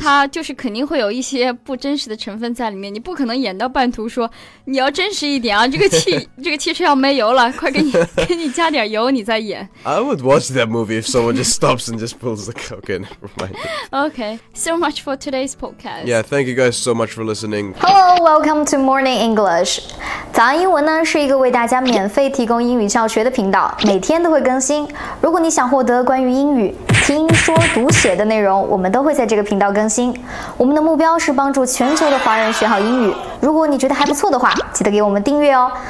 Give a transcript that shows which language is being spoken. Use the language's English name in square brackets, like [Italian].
[Chinese] 它就是肯定会有一些不真实的成分在里面。你不可能演到半途说你要真实一点啊，这个汽车要没油了，快给你。 [English] I would watch that movie if someone just stops and just pulls the car. Okay, never mind. Okay, so much for today's podcast. Yeah, thank you guys so much for listening. Hello, welcome to Morning English. [Chinese] 早安英文呢是一个为大家免费提供英语教学的频道，每天都会更新。如果你想获得关于英语听说读写的内容，我们都会在这个频道更新。我们的目标是帮助全球的华人学好英语。如果你觉得还不错的话，记得给我们订阅哦。